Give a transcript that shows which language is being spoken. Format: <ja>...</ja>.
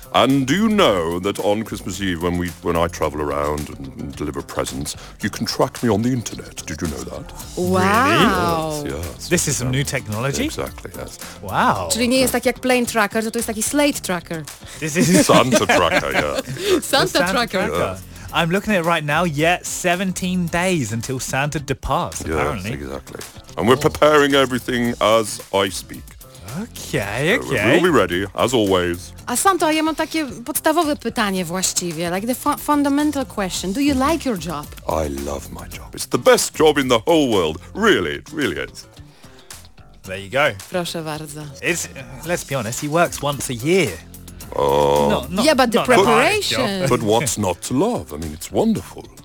<en>And do you know that on Christmas Eve, when I travel around and deliver presents, you can track me on the internet? Did you know that? Wow. Really? Yes. This is some new technology? Exactly, yes. Wow.</en> <pl>Czyli nie jest tak jak</pl> <en>plane tracker,</en> <pl>to jest taki slate tracker.</pl> <en>This is Santa tracker, yeah. Santa tracker. Yeah. I'm looking at it right now, 17 days until Santa departs, apparently. Yes, exactly. And we're preparing everything as I speak. Okay. We'll be ready, as always.</en> <pl>A Santo, ja mam takie podstawowe pytanie właściwie,</pl> <en>like the fundamental question. Do you like your job? I love my job. It's the best job in the whole world. Really, it really is. There you go.</en> <pl>Proszę bardzo.</pl> <en>It's, let's be honest, he works once a year. Yeah, but the preparation. But what's not to love? I mean, it's wonderful.</en>